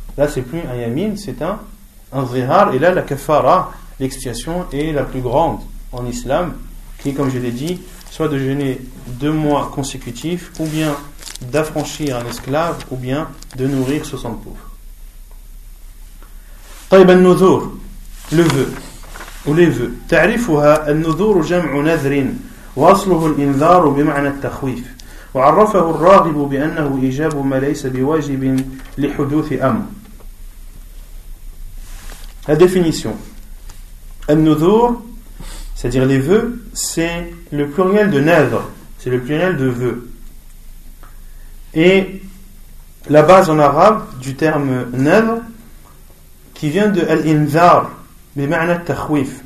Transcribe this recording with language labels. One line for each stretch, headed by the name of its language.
French: Là, c'est plus un yamin, c'est un zihar. Et là, la kafara, l'expiation, est la plus grande en islam, qui, comme je l'ai dit, soit de jeûner 2 mois consécutifs, ou bien d'affranchir un esclave, ou bien de nourrir 60 pauvres. Taïb al-nudhur, le vœu, ou les vœux.
Arabic: Ta'rifuha al-nudhur jam'u nadhrin. وأصله الإنذار بمعنى التخويف وعرفه الراغب بأنه إيجاب ما ليس بواجب لحدوث أمر.
French: La définition. النذور, c'est-à-dire les vœux, c'est le pluriel de nadr, c'est le pluriel de vœux. Et la base en arabe du terme nadr qui vient de al-inzar
Arabic: بمعنى التخويف.